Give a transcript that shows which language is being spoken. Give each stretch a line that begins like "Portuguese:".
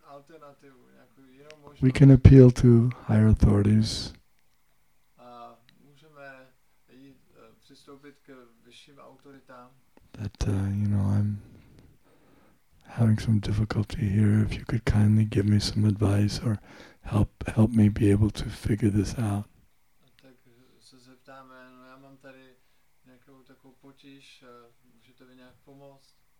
Czech: alternativu, nějakou jinou možnost.
English: We can appeal to higher authorities.
Czech: A můžeme jít přistoupit k vyšším autoritám.
English: That you know, I'm having some difficulty here. If you could kindly give me some advice or help me be able to figure this out.
Czech: Tak se zeptáme, no já mám tady nějakou takovou potíž, můžete mi nějak pomoct?